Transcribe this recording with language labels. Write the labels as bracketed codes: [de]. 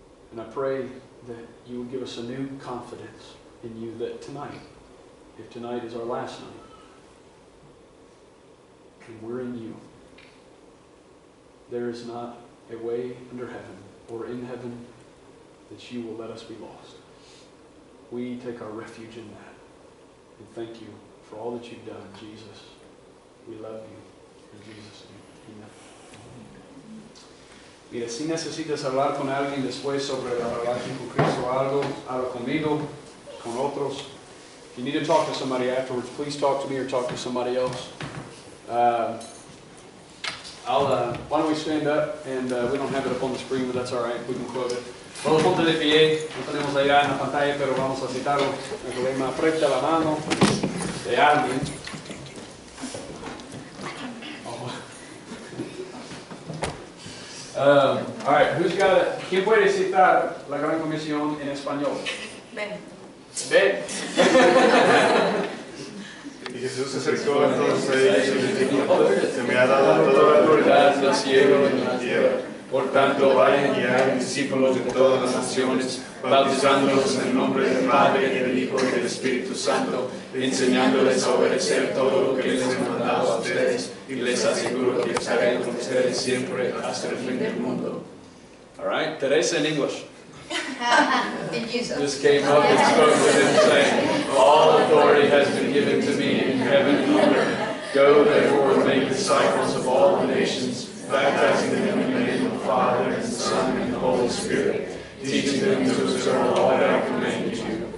[en] And I pray that you would give us a new confidence in you that tonight, if tonight is our last night, and we're in you, there is not a way under heaven or in heaven that you will let us be lost. We take our refuge in that. And thank you for all that you've done, Jesus. We love you. In Jesus' name, amen. [es] Mira, si necesitas hablar con alguien después sobre la relación con Cristo, algo, habla conmigo, con otros. [en] If you need to talk to somebody afterwards, please talk to me or talk to somebody else. Why don't we stand up, and we don't have it up on the screen, but that's all right, we can quote it. [es] Vamos a ponte de pie, no tenemos la idea en la pantalla, pero vamos a citarlo. El lema, aprieta la mano de alguien. [en] All right, who's got it? [es] ¿Quién puede citar la Gran Comisión en español? Ben. Ben. Y Jesús se acercó a todos ellos y les dijo, se me ha dado toda la autoridad en el cielo y en la tierra. Por tanto, vayan y hagan discípulos de todas las naciones, bautizándolos en el nombre del Padre, y del Hijo y del Espíritu Santo, enseñándoles a obedecer todo lo que les he mandado a ustedes, y les aseguro que estaré con ustedes siempre hasta el fin del mundo. [en] All right, today's in English. Jesus. Just came up and spoke with him saying, all authority has been given to me in heaven and on earth. Go therefore and make disciples of all the nations, baptizing them in the name of the Father, and the Son, and the Holy Spirit, teaching them to observe all that I command you.